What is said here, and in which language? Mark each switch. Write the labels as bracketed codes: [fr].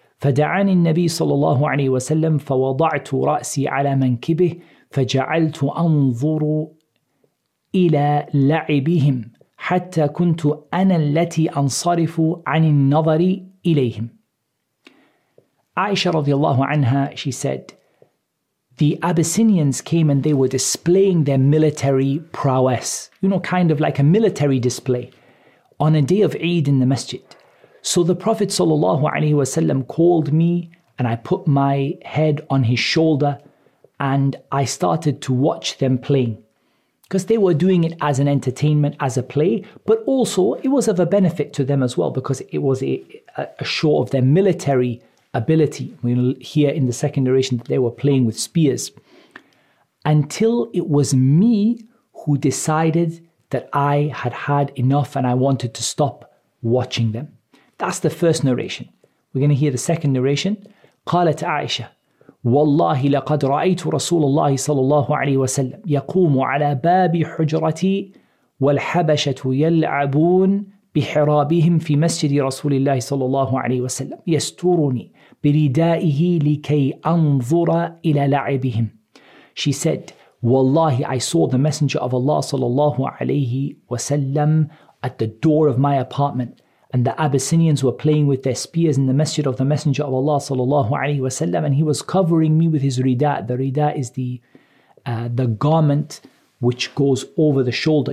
[ar] فدعاني النبي صلى الله عليه وسلم فوضعت رأسي على منكبه فجعلت أنظر إلى لعبهم حتى كنت أنا التي أنصرف عن النظر إليهم. [en] عائشة رضي الله عنها, she said, the Abyssinians came and they were displaying their military prowess, you know, kind of like a military display on a day of Eid in the masjid. So the Prophet sallallahu alaihi wasallam called me and I put my head on his shoulder and I started to watch them playing, because they were doing it as an entertainment, as a play, but also it was of a benefit to them as well, because it was a show of their military ability. We'll hear in the second narration that they were playing with spears, until it was me who decided that I had had enough and I wanted to stop watching them. That's the first narration. We're going to hear the second narration. [ar] قالت عائشة والله لقد رأيت رسول الله صلى الله عليه وسلم يقوم على باب حجرتي والحبشة يلعبون بحرابهم في مسجد رسول الله صلى الله عليه وسلم يسترني بردائه لكي أنظر إلى لعبهم. [en] She said, والله I saw the messenger of Allah صلى الله عليه وسلم at the door of my apartment, and the Abyssinians were playing with their spears in the masjid of the Messenger of Allah sallallahu alaihi wasallam, and he was covering me with his rida. The rida is the garment which goes over the shoulder.